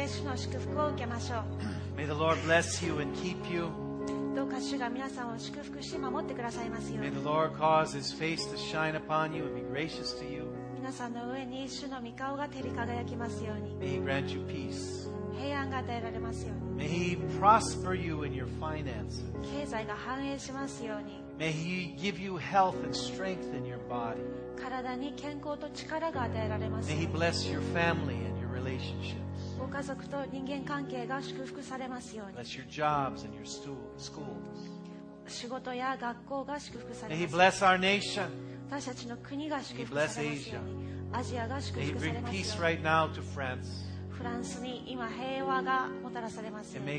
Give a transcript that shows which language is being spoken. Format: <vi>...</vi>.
<en>May the Lord bless you and keep you.</en> <ja>どうか主が皆さんを祝福し守ってくださいますように。</ja> <en>May the Lord cause His face to shine upon you and be gracious to you.</en> <ja>皆さんの上に主の御顔が照り輝きますように。</ja> <en>May He grant you peace.</en> <ja>平安が与えられますように。</ja> <en>May He prosper you in your finances.</en> <ja>経済が繁栄しますように。</ja> <en>May He give you health and strength in your body.</en> <ja>体に健康と力が与えられますように。</ja> <en>May He bless your family and your relationships.</en> <ja>ご家族と人間関係が祝福されますように。</ja> <en>Bless your jobs and your schools.</en> <ja>仕事や学校が祝福されますように。</ja> <en>May He bless our nation.</en> <ja>私たちの国が祝福されますように。 アジアが祝福されますように。</ja> <en>May He bring peace right now to France.</en> <ja>フランスに今平和がもたらされますように。</ja>